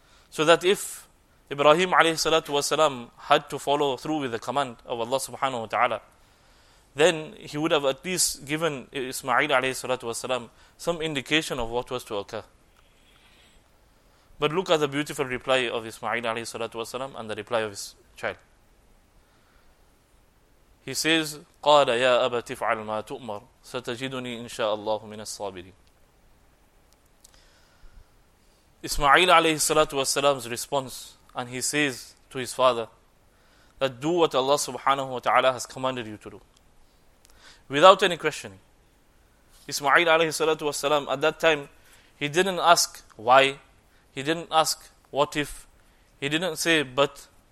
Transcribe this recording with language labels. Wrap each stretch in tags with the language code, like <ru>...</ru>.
<en>So that if Ibrahim alayhi salatu wa sallam had to follow through with the command of Allah subhanahu wa ta'ala, then he would have at least given Ismail alayhi salatu wa sallam some indication of what was to occur. But look at the beautiful reply of Ismail alayhi salatu wa sallam and the reply of his child.</en> <ar>He says, قَالَ يَا أَبَا تِفْعَلْ مَا تُؤْمَرْ سَتَجِدُنِي إِنْشَاءَ اللَّهُ مِنَ الصَّابِرِينَ.</ar> <en>Ismail alayhi salatu wa sallam's response, and he says to his father, that do what Allah subhanahu wa ta'ala has commanded you to do. Without any questioning, Ismail alayhi salatu wa sallam, at that time, he didn't ask why, he didn't ask what if, he didn't say but.</en>